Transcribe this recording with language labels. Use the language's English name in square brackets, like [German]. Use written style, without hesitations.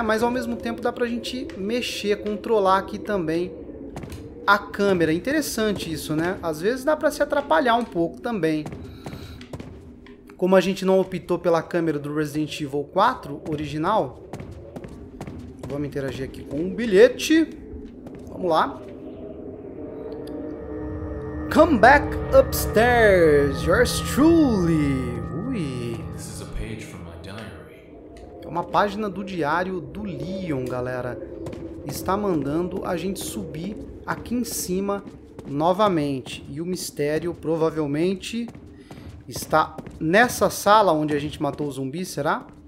[Portuguese] Mas ao mesmo tempo dá pra gente mexer, controlar aqui também a câmera. Interessante isso, né? Às vezes dá pra se atrapalhar um pouco também. Como a gente não optou pela câmera do Resident Evil 4 original, vamos interagir aqui com um bilhete. Vamos lá. [English] Come back upstairs, yours truly. Ui. This is a page from my diary. [Portuguese] É uma página do diário do Leon, galera. Está mandando a gente subir aqui em cima novamente. E o mistério provavelmente está nessa sala onde a gente matou o zumbi, será?